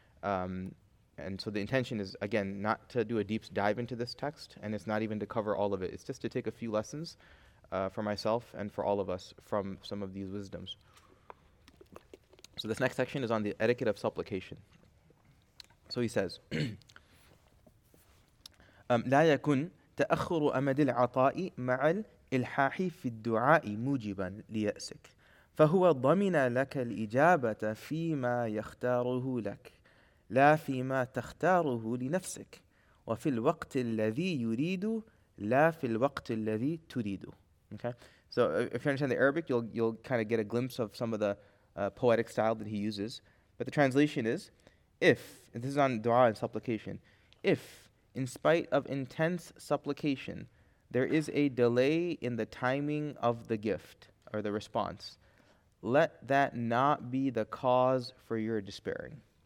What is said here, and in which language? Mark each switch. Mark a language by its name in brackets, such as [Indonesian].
[English] And so the intention is, again, not to do a deep dive into this text, and it's not even to cover all of it. It's just to take a few lessons for myself and for all of us from some of these wisdoms. So this next section is on the etiquette of supplication. So he says, [Arabic] لا يكن تأخر أمد العطاء مع الإلحاح في الدعاء موجبا ليأسك فهو ضمن لك الإجابة فيما يختاره لك لا فيما تختاره لنفسك وفي الوقت الذي يريد لا في الوقت الذي تريد. [English] Okay, so if you understand the Arabic, you'll kind of get a glimpse of some of the poetic style that he uses. But the translation is, if, and this is on dua and supplication, if in spite of intense supplication there is a delay in the timing of the gift or the response, let that not be the cause for your despairing.